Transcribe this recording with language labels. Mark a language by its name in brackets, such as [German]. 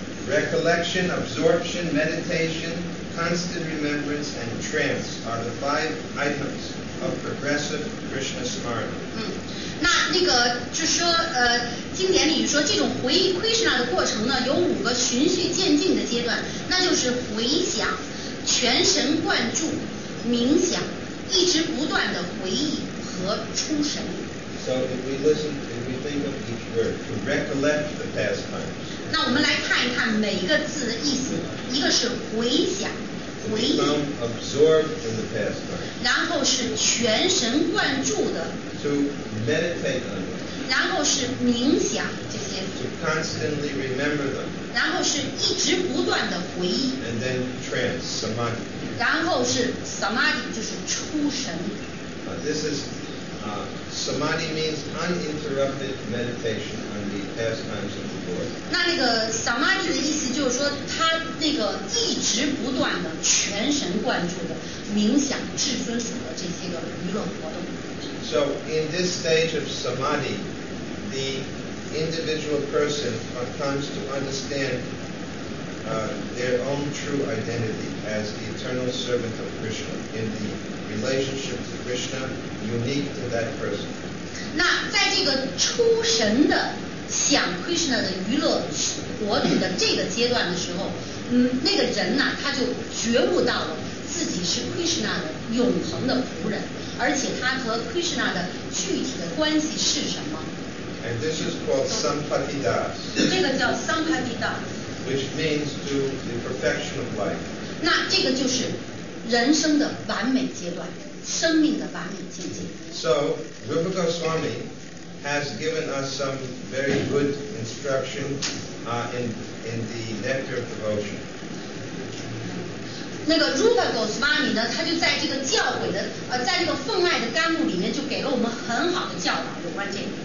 [English] Recollection, absorption, meditation, constant remembrance, and trance are the five items of progressive Krishna Smarana. [Chinese] 那那个就说经典里说这种回忆 Krishna 的过程呢，有五个循序渐进的阶段，那就是回想、全神贯注、冥想、一直不断的回忆和出神。 [English] So if we listen, if we think of each word, to recollect the pastimes. [Chinese] 那我们来看一看每一个字的意思，一个是回想，回忆。 [English] Become absorbed in the past. [Chinese] 然后是全神贯注的。 [English] To meditate on. [Chinese] 然后是冥想这些。 [English] To constantly remember them. [Chinese] 然后是一直不断的回忆。 [English] And then trance, samadhi. [Chinese] 然后是 samadhi, 就是出神。 [English] This is samadhi means uninterrupted meditation on the pastimes of the Lord. [Chinese] 那那个 samadhi 的意思就是说，他那个一直不断的全神贯注的冥想至尊主的这些个娱乐活动。 [English] So in this stage of samadhi, the individual person comes to understand their own true identity as the eternal servant of Krishna in the. Relationship to Krishna unique to that person. [Chinese] 那在这个出神的想 Krishna 的娱乐活动的这个阶段的时候，那个人呢，他就觉悟到了自己是 Krishna 的永恒的仆人，而且他和 Krishna 的具体的关系是什么 [English] ？And this is called Sampatidas. [Chinese] 这个叫 Sampatidas. [English] Which means to the perfection of life. [Chinese] 那这个就是。人生的完美阶段，生命的完美境界。 So Rupa Goswami has given us some very good instruction in the nectar of devotion. 那个 Rupa Goswami 呢，他就在这个教诲的在这个奉爱的甘露里面，就给了我们很好的教导有关这个。